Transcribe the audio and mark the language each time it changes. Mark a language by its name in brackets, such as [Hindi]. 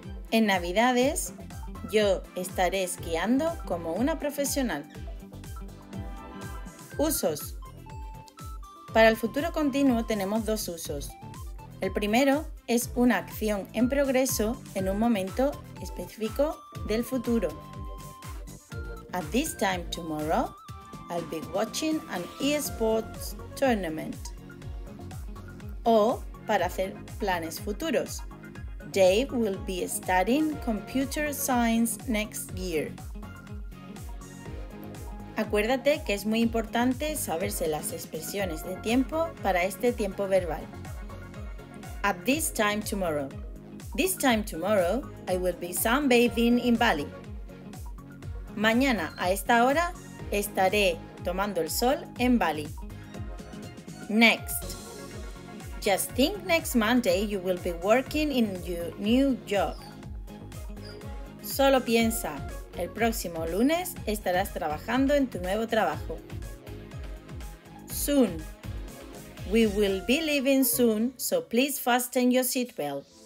[Spanish] En Navidades, yo estaré esquiando como una profesional. Usos. Para el futuro continuo tenemos dos usos. El primero es una acción en progreso en un momento específico del futuro. [English] At this time tomorrow, I'll be watching an esports tournament. [Spanish] O para hacer planes futuros. [English] Dave will be studying computer science next year. [Spanish] Acuérdate que es muy importante saberse las expresiones de tiempo para este tiempo verbal. [English] At this time tomorrow. This time tomorrow, I will be sunbathing in Bali. [Spanish] Mañana a esta hora estaré tomando el sol en Bali. [English] Next. Just think next Monday you will be working in your new job. [Spanish] Solo piensa, el próximo lunes estarás trabajando en tu nuevo trabajo. [English] Soon. We will be leaving soon, so please fasten your seatbelt.